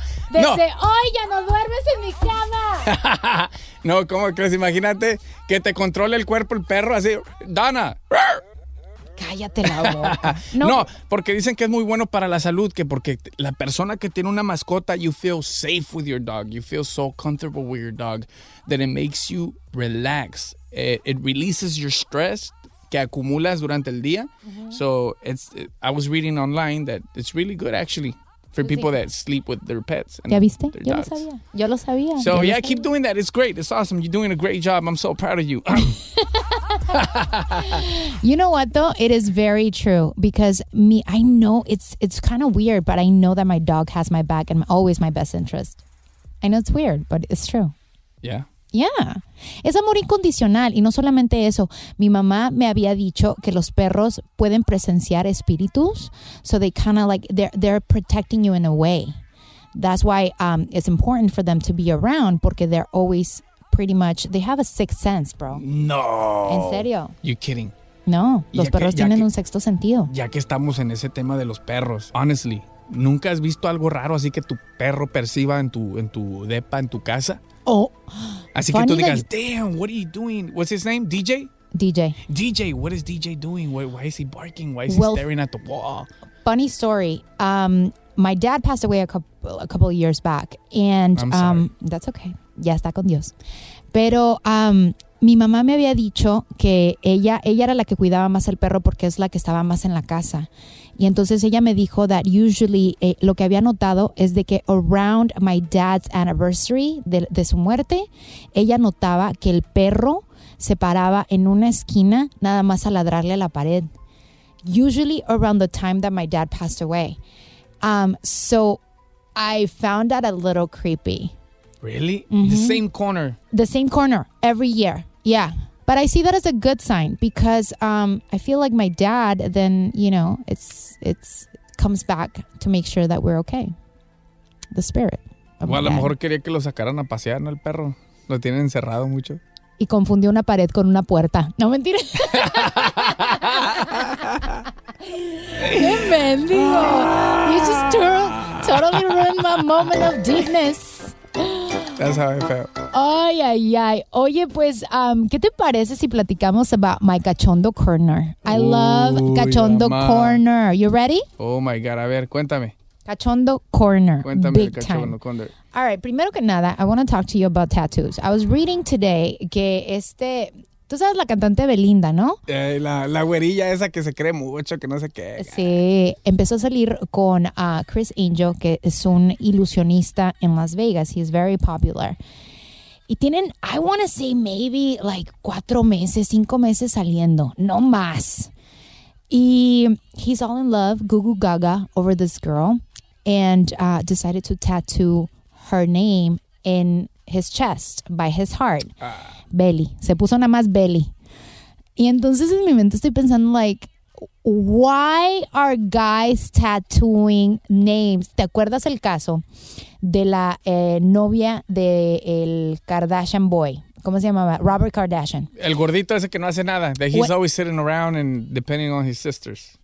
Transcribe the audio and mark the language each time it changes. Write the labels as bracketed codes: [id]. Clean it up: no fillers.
[es] Desde hoy ya no duermes en mi cama. No, ¿cómo crees? Imagínate que te controle el cuerpo el perro así. Dana. Cállate la boca. No, porque dicen que es muy bueno para la salud, que porque la persona que tiene una mascota, [en] you feel safe with your dog. You feel so comfortable with your dog that it makes you relax. It releases your stress [es] que acumulas durante el día. Uh-huh. [en] So I was reading online that it's really good actually for people that sleep with their pets. [es] And ¿ya viste? Their yo dogs. Lo sabía. Yo lo sabía. [en] So [es] yo [en] yeah, [es] sabía. [en] Keep doing that. It's great. It's awesome. You're doing a great job. I'm so proud of you. You know what though? It is very true because me, I know it's kind of weird, but I know that my dog has my back and always my best interest. I know it's weird, but it's true. Yeah. [es] Yeah. Es amor incondicional. Y no solamente eso. Mi mamá me había dicho que los perros pueden presenciar espíritus. [en] So they kind of like, they're protecting you in a way. That's why it's important for them to be around. Porque they're always pretty much, they have a sixth sense, bro. [es] No. ¿En serio? [en] You're kidding. [es] No. Los perros tienen un sexto sentido. Ya que estamos en ese tema de los perros. Honestly, ¿nunca has visto algo raro así que tu perro perciba en tu depa, en tu casa? Oh. Así que tú digas, [en] damn, what are you doing? What's his name? DJ? DJ. DJ, what is DJ doing? Why is he barking? Why is he staring at the wall? Funny story. My dad passed away a couple of years back. [es] And that's okay. Ya está con Dios. Pero mi mamá me había dicho que ella era la que cuidaba más el perro porque es la que estaba más en la casa. Y entonces ella me dijo [en] that usually, [es] lo que había notado es de que [en] around my dad's anniversary [es] de su muerte, ella notaba que el perro se paraba en una esquina nada más a ladrarle a la pared. [en] Usually around the time that my dad passed away. So I found that a little creepy. Really? Mm-hmm. The same corner. The same corner every year. Yeah. But I see that as a good sign because I feel like my dad, then, you know, it's comes back to make sure that we're okay. The spirit. [es] Well, a lo mejor quería que lo sacaran a pasear, ¿no? El perro. Lo tienen encerrado mucho. Y confundió una pared con una puerta. No, mentira. ¡Qué mendigo! [en] You just totally ruined my moment of deepness. That's how I felt. [es] Ay, ay, ay. Oye, pues, ¿qué te parece si platicamos [en] about my [es] cachondo corner? [en] I love cachondo corner. You ready? Oh, my God. [es] A ver, cuéntame. Cachondo corner. Cuéntame [en] big [es] cachondo [en] time. Corner. All right, [es] primero que nada, [en] I want to talk to you about tattoos. I was reading today [es] que este... Tú sabes la cantante Belinda, ¿no? La güerilla esa que se cree mucho, que no sé qué. Sí, empezó a salir con Chris Angel, que es un ilusionista en Las Vegas. [en] He's very popular. [es] Y tienen, [en] I want to say maybe like [es] 4 meses, 5 meses saliendo, no más. [en] Y he's all in love, Gugu Gaga, over this girl. And decided to tattoo her name in his chest, by his heart. [es] Belly. Se puso nada más belly. Y entonces en mi mente estoy pensando, [en] like, why are guys tattooing names? [es] ¿Te acuerdas el caso de la novia de el Kardashian boy? ¿Cómo se llamaba? Robert Kardashian. El gordito ese que no hace nada. [en] That he's always sitting around and depending on his sisters.